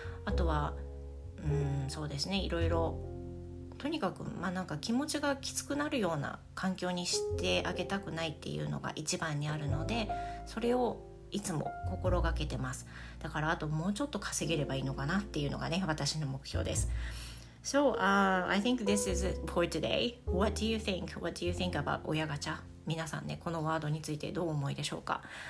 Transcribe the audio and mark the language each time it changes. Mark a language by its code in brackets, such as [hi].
[ja] あとはそうですね、いろいろとにかく、まあ、なんか気持ちがきつくなるような環境にしてあげたくないっていうのが一番にあるので、それをいつも心がけてます。だからあともうちょっと稼げればいいのかなっていうのがね私の目標です。 [en] So I think this is it for today. What do you think? What do you think about 親ガチャ？ [ja] 皆さんね、このワードについてどう思いでしょうか。